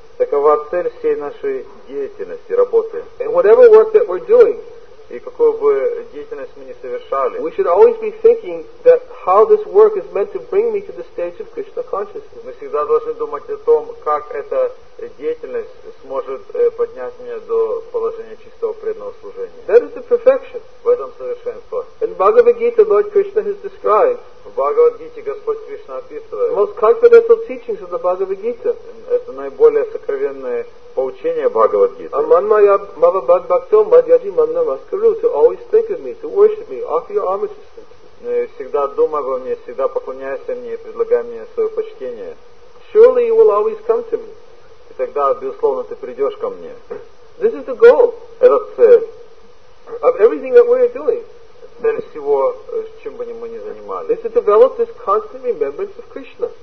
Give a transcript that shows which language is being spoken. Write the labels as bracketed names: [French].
[Russian] Такова цель всей нашей деятельности, работы. [English] And whatever work that we're doing, [Russian] и какую бы деятельность мы ни совершали, [English] we should always be thinking that how this work is meant to bring me to the stage of Krishna consciousness. [Russian] Мы всегда должны думать о том, как эта деятельность сможет поднять меня до положения чистого преданного служения. [English] That is the perfection. [Russian] В этом совершенство. [English] In Bhagavad Gita, Lord Krishna has described. [Russian] В Бхагавад Гите Господь Кришна описывает. [English] The most confidential teachings of the Bhagavad Gita. [Russian] Это наиболее сокровенное поучение Бхагавад Гиты. Аман мая мава бад бакто мадьяди манна маскару. [English] To always think of me, to worship me, offer your homages to me. [Russian] Всегда думай обо мне, всегда поклоняйся мне, предлагай мне свое почтение. [English] Surely you will always come to me. [Russian] И тогда, безусловно, ты придешь ко мне. [English] This is the goal. [Russian] Это цель. [English] Of everything that we are doing. [Russian] Цель всего, чем бы мы ни занимались. [English] Is to develop this constant remembrance of Krishna.